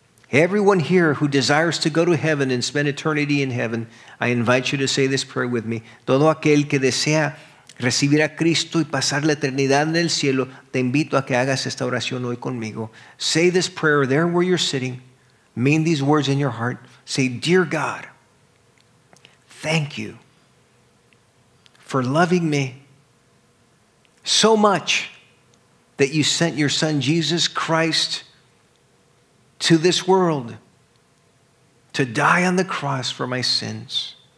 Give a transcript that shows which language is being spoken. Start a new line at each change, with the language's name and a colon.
English: Everyone here who desires to go to heaven and spend eternity in heaven, I invite you to say this prayer with me.
Spanish: Todo aquel que desea recibir a Cristo y pasar la eternidad en el cielo, te invito a que hagas esta oración hoy conmigo.
English: Say this prayer there where you're sitting. Mean these words in your heart. Say, dear God, thank you for loving me so much that you sent your son Jesus Christ to this world to die on the cross for my sins.